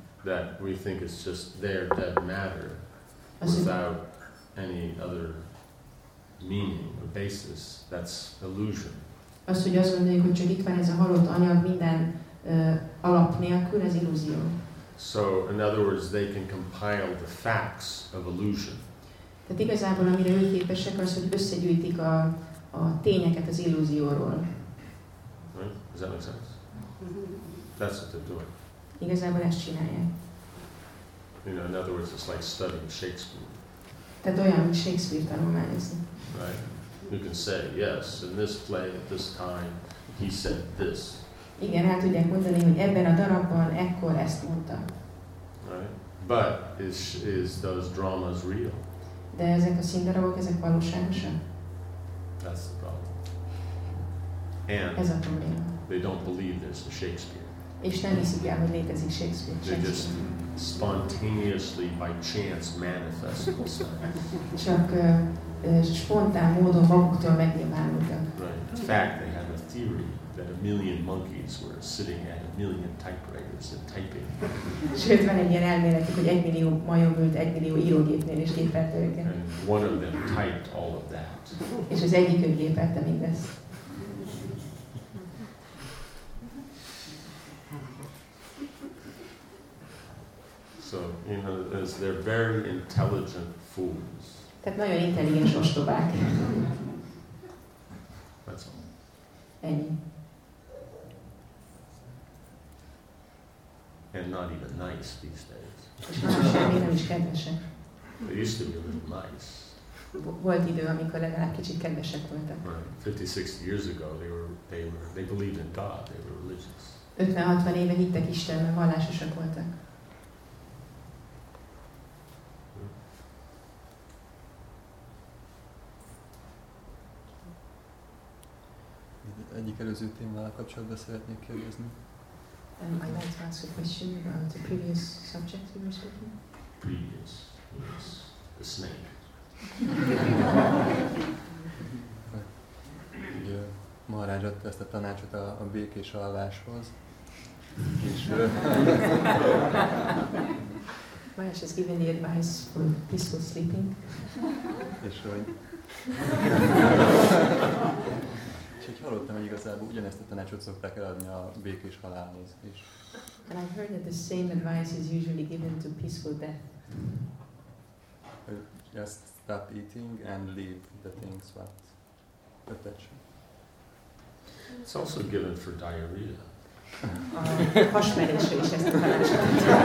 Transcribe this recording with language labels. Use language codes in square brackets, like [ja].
[en] That we think is just there, dead matter, without any other meaning or basis. That's illusion. [hu] Azt, hogy azt mondjuk, hogy csak itt van ez a halott anyag minden alap nélkül, ez illúzió. [en] So, in other words, they can compile the facts of illusion. [hu] Tehát igazából, amire ők képesek, az, hogy összegyűjtik a tényeket az illúzióról. [en] Right? Does that make sense? That's what they're doing. [hu] Igazából ezt csinálják. [en] You know, in other words, it's like studying Shakespeare. [hu] Tehát olyan, mint Shakespeare tanulmányozni. [en] Right? You can say, yes, in this play, at this time, he said this. [hu] Igen, hát tudják mondani, hogy ebben a darabban ekkor ezt mondta. [en] Right? But is those dramas real? [hu] De ezek a színdarabok, ezek valóságosak? [en] That's the problem. And [hu] ez a probléma. [en] They don't believe there's a Shakespeare. [hu] És nem hiszik el, hogy létezik Shakespeare. [en] They just spontaneously, by chance, manifest. [hu] Csak spontán módon maguktól megnyilvánultak. [en] Right. In fact, they have a theory that a million monkeys were sitting at a million typewriters and typing. [hu] Sőt, van egy ilyen elméletük, hogy egy millió majom ült egy millió írógépnél és gépelt őket. [en] And one of them typed all of that. [hu] És az egyik ők gépelte mindezt. [en] So, you know, as they're very intelligent fools. [hu] Tehát nagyon intelligens ostobák. [en] That's all. [hu] Ennyi. [en] And not even nice these days. [hu] Semmi nem is kedvesek. [en] They used to be a little nice. [hu] Volt idő, amikor legalább kicsit kedvesek voltak. [en] Right. 50-60 years ago, they believed in God. They were religious. [hu] 50-60 éve hittek Istenben, vallásosak voltak. Egyik előző témával kapcsolatban szeretnék kérdezni. [en] I'd like to ask a question about the previous subject we were speaking. Previous, yes. The snake. [hu] Ugye, Maharaj adta ezt a tanácsot a békés alváshoz. És [en] Maharaj has given the advice for peaceful sleeping. [hu] És hogy hogy hallottam, hogy igazából ugyanezt a tanácsot szokták eladni a békés halálhoz is. [en] And I heard that the same advice is usually given to peaceful death. Just stop eating and leave the things what attention. It's also given for diarrhea. [hu] Hasmerésre is ezt a tanácsot.